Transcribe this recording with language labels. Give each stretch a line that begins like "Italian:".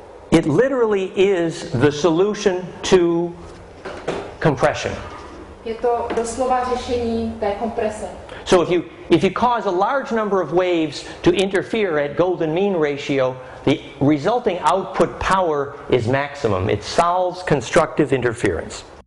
English: It literally is the solution to compression.
Czech: Je to doslova řešení té komprese.
English: So if you cause a large number of waves to interfere at golden mean ratio, the resulting output power is maximum. It solves constructive interference.